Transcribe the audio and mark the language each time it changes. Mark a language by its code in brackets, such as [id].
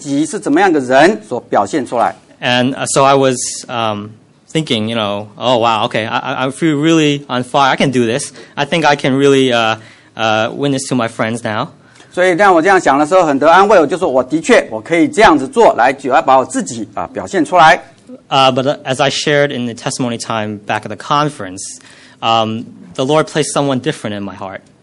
[zh] 所以在那个周末里我所得到说我们要做见证并不是说我们要真正做什么事实际上我们只是要把我们自己是怎么样的人所表现出来。 [en] And so I was thinking, you know, oh wow, okay, I feel really on fire, I can do this. I think I can really witness to my friends now. [zh] 所以当我这样想的时候很得安慰,我就说我的确,我可以这样子做来把我自己表现出来。 [en] But as I shared in the testimony time back at the conference, the Lord placed someone different in my heart.